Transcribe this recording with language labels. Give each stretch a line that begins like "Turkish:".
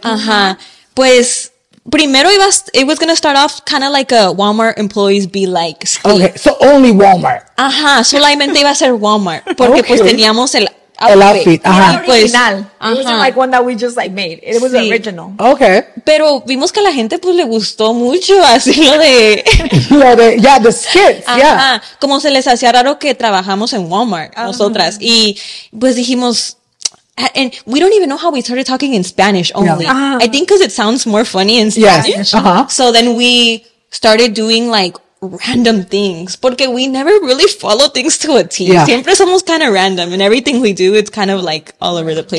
English: Ajá. Pues. Primero, it was going to start off kind of like a Walmart employees be like. Okay, so only Walmart.
Spanish: Ajá, solamente iba a ser Walmart. Porque pues teníamos el outfit. El outfit, ajá.
English: Original. Pues, it wasn't like one that we just like made. It was original. Okay.
Spanish: Pero vimos que a la gente pues le gustó mucho así lo de...
English: yeah, the skits,
Spanish: ajá.
English: Yeah.
Spanish: Como se les hacía raro que trabajamos en Walmart, nosotras. Y pues dijimos...
English: And we don't even know how we started talking in Spanish only. Yeah. Uh-huh. I think because it sounds more funny in Spanish. Yes. Uh-huh. So then we started doing like random things. Porque we never really follow things to a team. Yeah. Siempre somos kind of random. And everything we do, it's kind of like all over the place.